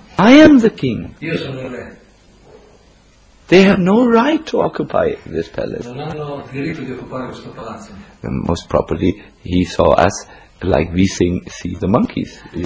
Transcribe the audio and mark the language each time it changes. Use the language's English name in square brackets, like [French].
[English] I am the king. They have no right to occupy this palace. [Italian] Non hanno diritto di occupare questo palazzo. [English] Most probably he saw us like we see the monkeys.